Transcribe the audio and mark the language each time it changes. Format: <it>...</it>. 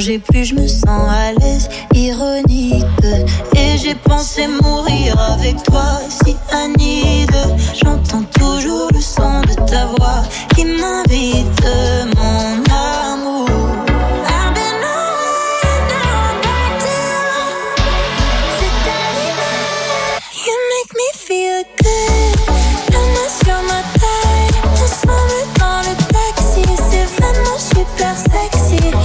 <fr>Plus je me sens à l'aise, ironique. Et j'ai pensé mourir avec toi, cyanide. J'entends toujours le son de ta voix qui m'invite, mon amour.</fr> <en>I've been on and on back to you.</en> <fr>C'est terrible.</fr> <en>You make me feel good.</en> <fr>La main sur ma taille, on s'en va dans le taxi. C'est vraiment super sexy.</fr>